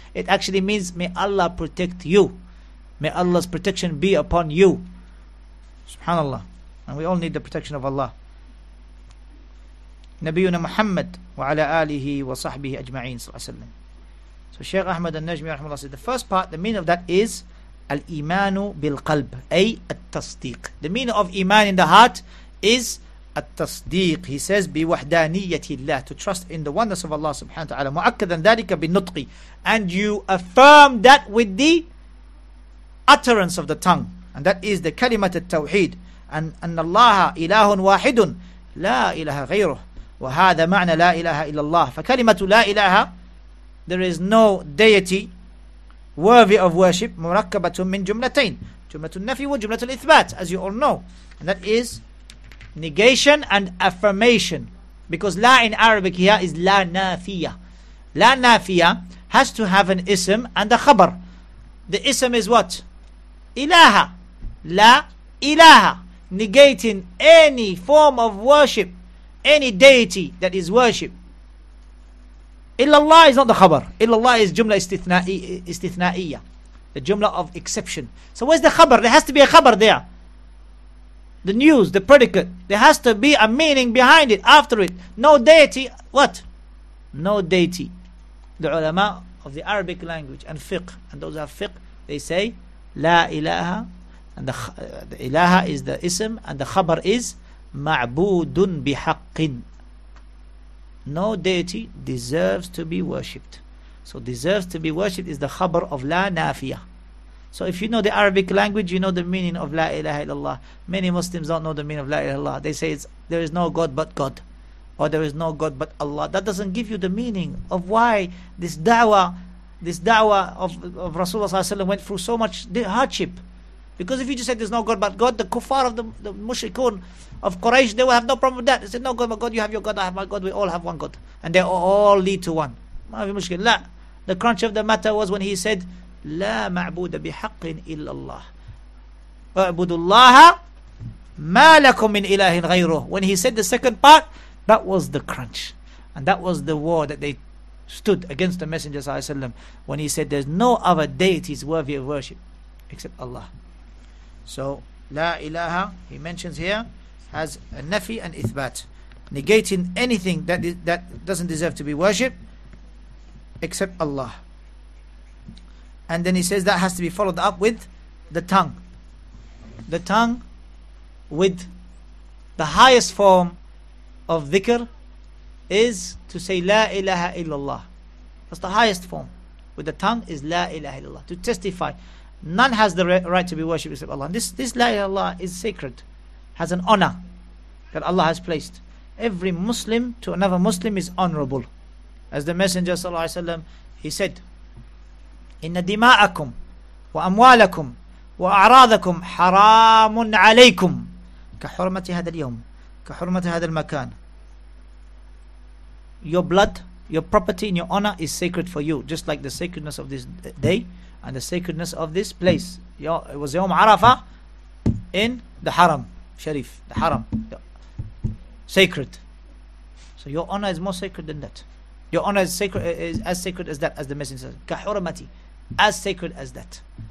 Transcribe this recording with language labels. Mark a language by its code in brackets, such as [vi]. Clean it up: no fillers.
[en] It actually means, may Allah protect you. May Allah's protection be upon you. SubhanAllah. And we all need the protection of Allah. [ar] نبينا محمد وعلى آله وصحبه أجمعين صلى الله عليه وسلم. [en] So Sheikh Ahmad al-Najmi [ar] رحمه الله [en] said, the first part, the meaning of that is [ar] الإيمان بالقلب أي التصديق. [en] The meaning of إيمان in the heart is التصديق. He says بوحدانية الله, to trust in the oneness of Allah سبحانه وتعالى. [ar] مؤكدا ذلك بالنطق, [en] and you affirm that with the utterance of the tongue, and that is the [ar] كلمة التوحيد, and أن الله إله واحد لا إله غيره, وهذا معنى لا إله إلا الله. فكلمة لا إله, [en] there is no deity worthy of worship, [ar] مركبة من جملتين, جملة النفي وجملة الإثبات, [en] as you all know, and that is negation and affirmation, because لا in Arabic here is لا نافية. لا نافية has to have an ism and a خبر. The ism is what? إلها. لا إلها, negating any form of worship, any deity that is worship. إلا الله is not the خبر. إلا الله is [ar] جملة استثنائية, [en] the جملة of exception. So where's the خبر? There has to be a خبر there. The news, the predicate, there has to be a meaning behind it, after it. No deity, what? No deity. The ulama of the Arabic language and fiqh, and those who have fiqh, they say, لا إلها, and the إلها is the ism, and the خبر is [ar] معبود بحق. [en] No deity deserves to be worshipped. So deserves to be worshipped is the خبر of لا نافية. So if you know the Arabic language, you know the meaning of La ilaha illallah. Many Muslims don't know the meaning of La ilaha illallah. They say it's, there is no God but God, or there is no God but Allah. That doesn't give you the meaning of why this da'wah of Rasulullah ﷺ went through so much hardship. Because if you just said there's no God but God, the kuffar of the mushrikun of Quraysh, they will have no problem with that. They said, no God but God, you have your God, I have my God, we all have one God. And they all lead to one. The crunch of the matter was when he said, [ar] لا معبود بحق إلا الله وعبد الله ما لكم من إله غيره. [en] When he said the second part, that was the crunch, and that was the war that they stood against the Messenger [ar] صلى الله عليه وسلم, [en] when he said there's no other deities worthy of worship except Allah. So لا إله, he mentions here, has a نفي and إثبات, negating anything that doesn't deserve to be worshipped except Allah. And then he says that has to be followed up with the tongue. The tongue with the highest form of dhikr is to say La ilaha illallah. That's the highest form. With the tongue is La ilaha illallah. To testify. None has the right to be worshipped except Allah. And this La ilaha illallah is sacred. Has an honor that Allah has placed. Every Muslim to another Muslim is honorable. As the Messenger sallallahu alayhi wa sallam, he said, [ar] إن دماءكم وأموالكم وأعراضكم حرام عليكم كحرمة هذا اليوم كحرمة هذا المكان. [en] Your blood, your property and your honor is sacred for you, just like the sacredness of this day and the sacredness of this place. It was يوم عرفة in the Haram Sharif, the Haram, sacred. So your honor is more sacred than that. Your honor is sacred, is as sacred as that, as the Messenger says, كحرمتي, as sacred as that.